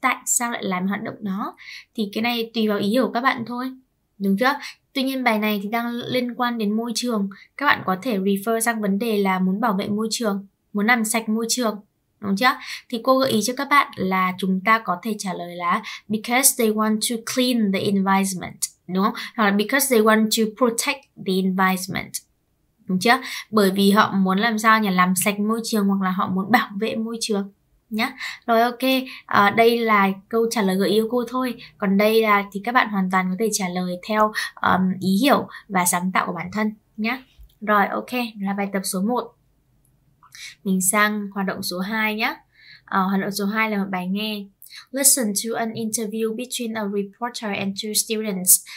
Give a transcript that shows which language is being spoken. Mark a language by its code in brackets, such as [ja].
[vi] Tại sao lại làm hoạt động đó? Thì cái này tùy vào ý của các bạn thôi. Đúng chưa? Tuy nhiên bài này thì đang liên quan đến môi trường. Các bạn có thể refer sang vấn đề là muốn bảo vệ môi trường, muốn làm sạch môi trường. Đúng chưa? Thì cô gợi ý cho các bạn là chúng ta có thể trả lời là [en] because they want to clean the environment. [vi] Đúng không? Hoặc là [en] because they want to protect the environment. [vi] Đúng chưa? Bởi vì họ muốn làm sao nhỉ? Làm sạch môi trường hoặc là họ muốn bảo vệ môi trường. Nhá. Rồi ok, đây là câu trả lời gợi ý của cô thôi. Còn đây là thì các bạn hoàn toàn có thể trả lời theo ý hiểu và sáng tạo của bản thân nhá. Rồi ok, là bài tập số 1. Mình sang hoạt động số 2 nhá. Hoạt động số 2 là một bài nghe. [en] Listen to an interview between a reporter and two students.